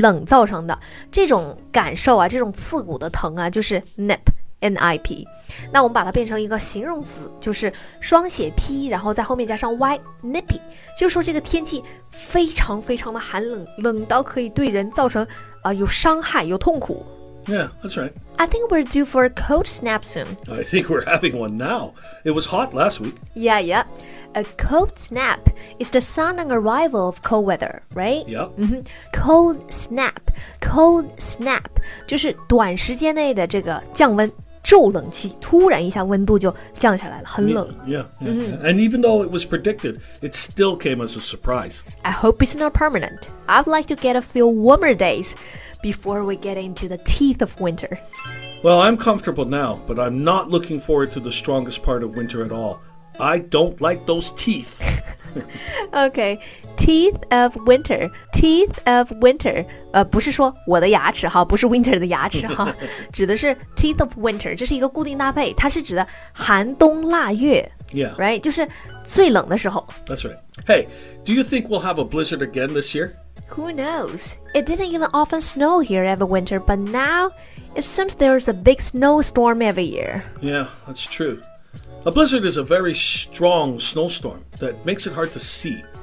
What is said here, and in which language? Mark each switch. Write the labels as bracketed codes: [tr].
[zh] 冷造成的这种感受啊这种刺骨的疼啊就是 nip, N-I-P 那我们把它变成一个形容词就是双写 P 然后在后面加上 Y nippy 就是说这个天气非常非常的寒冷冷到可以对人造成有伤害有痛苦 [en] Yeah, that's right I think we're due for a cold snap soon I think we're having one now It was hot last week Yeah, yeahA cold snap is the sudden arrival of cold weather, right? Yep. [zh] Mm-hmm. Cold snap, 就是短时间内的这个降温，骤冷期，突然一下温度就降下来了，很冷。 [en] Yeah. Mm-hmm. And even though it was predicted, it still came as a surprise. I hope it's not permanent. I'd like to get a few warmer days before we get into the teeth of winter. Well, I'm comfortable now, but I'm not looking forward to the strongest part of winter at all. I don't like those teeth. okay, teeth of winter. Teeth of winter. [zh] 不是说我的牙齿哈，不是 winter 的牙齿哈，指的是 teeth of winter. 这是一个固定搭配，它是指的寒冬腊月。 [en] Yeah. Right? [zh] 就是最冷的时候。 [en] That's right. Hey, do you think we'll have a blizzard again this year? Who knows? It didn't even often snow here every winter, but now it seems there's a big snowstorm every year. Yeah, that's true. A blizzard is a very strong snowstorm that makes it hard to see.